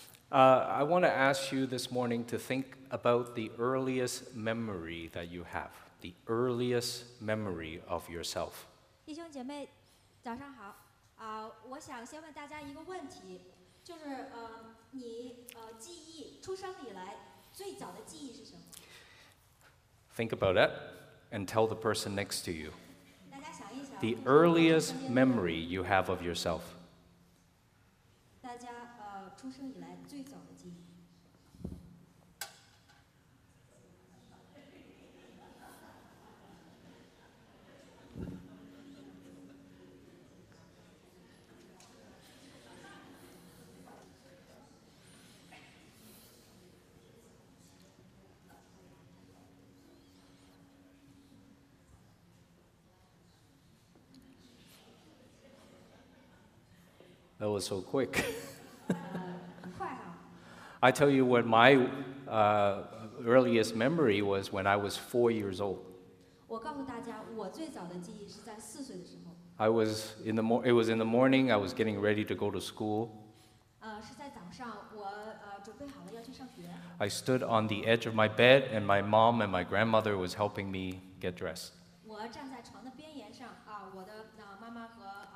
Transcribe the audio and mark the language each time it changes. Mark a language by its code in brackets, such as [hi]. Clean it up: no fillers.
[en] I want to ask you this morning to think about the earliest memory that you have, the earliest memory of yourself. [zh] 弟兄姐妹，早上好。我想先问大家一个问题，就是你记忆出生以来最早的记忆是什么？ [en] Think about it and tell the person next to you. The earliest memory you have of yourself. [zh] 大家出生以来最早的记忆。 [en] That was so quick. [zh] 快啊。 [en] I tell you what my earliest memory was when I was 4 years old. [zh] 我告诉大家，我最早的记忆是在四岁的时候。 [en] It was in the morning. I was getting ready to go to school. [zh] 是在早上，我准备好了要去上学。 [en] I stood on the edge of my bed, and my mom and my grandmother was helping me get dressed. [zh] 我站在床的边沿上啊，我的妈妈和。